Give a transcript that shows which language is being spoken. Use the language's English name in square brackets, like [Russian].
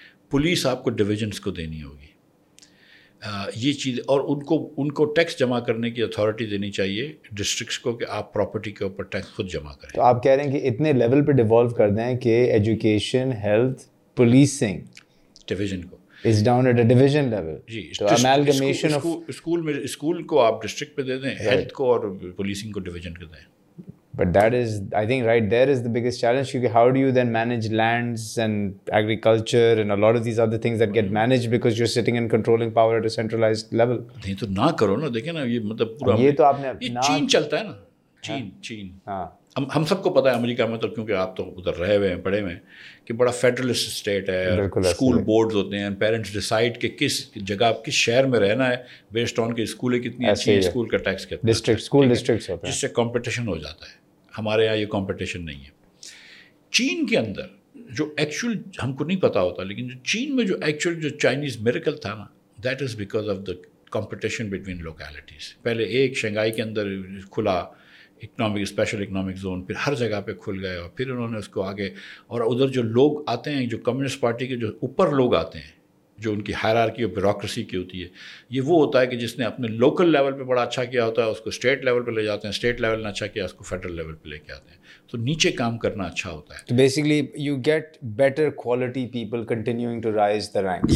[Urdu] Police آپ کو divisions کو دینی ہوگی یہ چیز, اور ان کو ٹیکس جمع کرنے کی اتھارٹی دینی چاہیے ڈسٹرکٹس کو کہ آپ پراپرٹی کے اوپر ٹیکس خود جمع کریں. تو آپ کہہ رہے ہیں کہ اتنے لیول پہ ڈیوالو کر دیں کہ ایجوکیشن, ہیلتھ, پولیسنگ ڈویژن کو [English] is down at a division level. [Urdu] جی, [English] amalgamation of school [Urdu] میں اسکول کو آپ ڈسٹرکٹ پہ دے دیں, ہیلتھ کو اور پولیسنگ کو ڈویژن کر دیں. [English] But that is, I think, right there is the biggest challenge, because how do you then manage lands and agriculture and a lot of these other things that get managed because you're sitting and controlling power at a centralized level? [Urdu] نہیں تو نہ کرو نا, دیکھیں نا یہ مطلب پورا یہ تو آپ نے چین چلتا ہے نا, چین ہم سب کو پتا ہے امریکہ میں, تو کیونکہ آپ تو ادھر رہے ہوئے ہیں پڑے ہوئے ہیں, کہ بڑا فیڈرلسٹ اسٹیٹ ہے, اسکول بورڈز ہوتے ہیں, پیرنٹس ڈیسائڈ کہ کس جگہ آپ کس شہر میں رہنا ہے بیسڈ آن کہ اسکولیں کتنی اچھی ہیں, اسکول کا ٹیکس کتنا, ڈسٹرکٹ اسکول ڈسٹرکٹس ہوتے ہیں, جس سے کمپٹیشن ہو جاتا ہے. ہمارے یہاں یہ کمپٹیشن نہیں ہے. چین کے اندر جو ایکچوئل ہم کو نہیں پتا ہوتا, لیکن جو چین میں جو ایکچوئل جو چائنیز میریکل تھا نا, [English] That is because of the competition between localities. [Urdu] پہلے ایک شنگائی کے اندر کھلا اکنامک اسپیشل اکنامک زون, پھر ہر جگہ پہ کھل گئے, اور پھر انہوں نے اس کو آگے, اور ادھر جو لوگ آتے ہیں جو کمیونسٹ پارٹی کے جو اوپر لوگ آتے ہیں جو ان کی ہائرارکی اور بیوروکریسی کی ہوتی ہے, یہ وہ ہوتا ہے کہ جس نے اپنے لوکل لیول پہ بڑا اچھا کیا ہوتا ہے اس کو اسٹیٹ لیول پہ لے جاتے ہیں, اسٹیٹ لیول نے اچھا کیا اس کو فیڈرل لیول پہ لے کے آتے ہیں. تو نیچے کام کرنا اچھا ہوتا ہے. [English] basically you get better quality people continuing to rise the ranks,